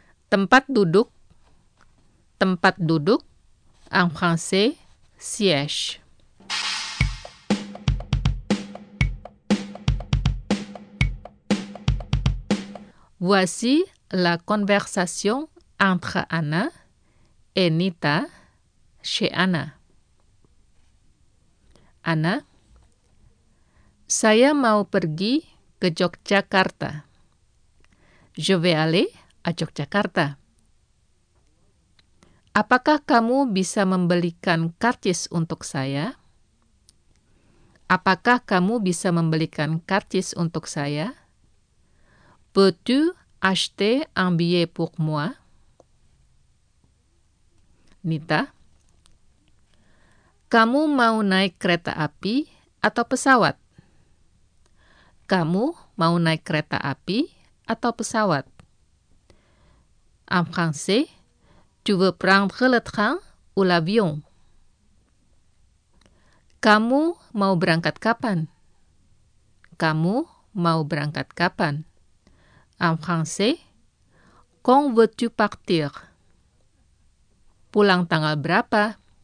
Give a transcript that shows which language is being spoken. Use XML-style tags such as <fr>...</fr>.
<id>Tempat duduk,</id> <fr>en français, siège. Voici la conversation entre Anna et Nita chez Anna.</fr> <id>Anna, saya mau pergi ke Yogyakarta.</id> <fr>Je vais aller à Yogyakarta.</fr> <id>Apakah kamu bisa membelikan karcis untuk saya? Apakah kamu bisa membelikan karcis untuk saya?</id> <fr>Peux-tu acheter un billet pour moi?</fr> <id>Nita, kamu mau naik kereta api atau pesawat? Kamu mau naik kereta api atau pesawat?</id> <fr>En français, tu veux prendre le train ou l'avion?</fr> <id>Kamu mau berangkat kapan? Kamu mau berangkat kapan?</id> <fr>En français, quand veux-tu partir?</fr> <id>Pulang tanggal berapa?</id>